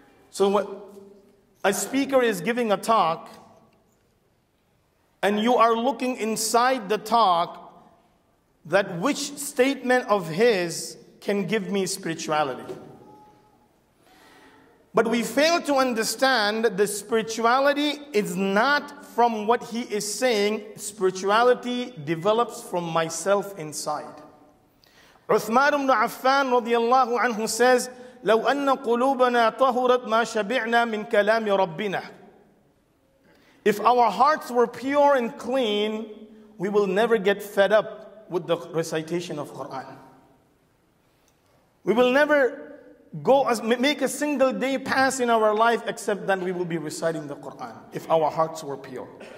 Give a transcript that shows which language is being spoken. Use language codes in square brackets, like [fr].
[en] So what a speaker is giving a talk and you are looking inside the talk that which statement of his can give me spirituality. But we fail to understand that the spirituality is not from what he is saying. Spirituality develops from myself inside. Uthman ibn Affan radiallahu anhu says, [ar] لو أن قلوبنا طهرت ما شبعنا من كلام ربنا. [en] If our hearts were pure and clean, we will never get fed up with the recitation of Quran. We will never make a single day pass in our life except that we will be reciting the Quran if our hearts were pure.